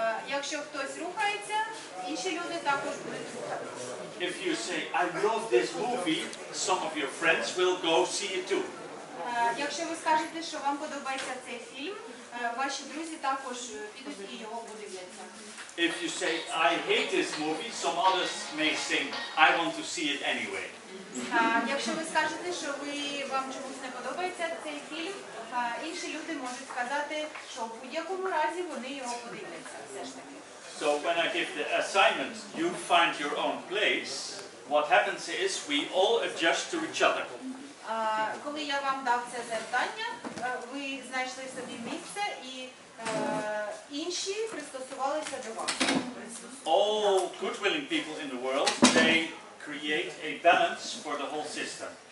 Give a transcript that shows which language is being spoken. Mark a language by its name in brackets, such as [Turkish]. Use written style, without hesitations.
[Ukrainian] Якщо хтось рухається, інші люди також будуть рухатися. [English] If you say, I love this movie, some of your friends will go see it too. [Ukrainian] Якщо ви скажете, що вам подобається цей фільм, ваші друзі також підуть і його подивляться. [English] If you say, I hate this movie, some others may think, I want to see it anyway. [Ukrainian] Якщо ви скажете, що вам чомусь не подобається цей фільм, інші люди можуть сказати, що в будь-якому разі вони його подивляться, все ж таки. [English] So when I give the assignment, you find your own place, what happens is we all adjust to each other. [Ukrainian] Коли я вам дав це завдання, ви знайшли собі місце і інші пристосувалися до вас. [English] All good-willing people in the world, they create a balance for the whole system.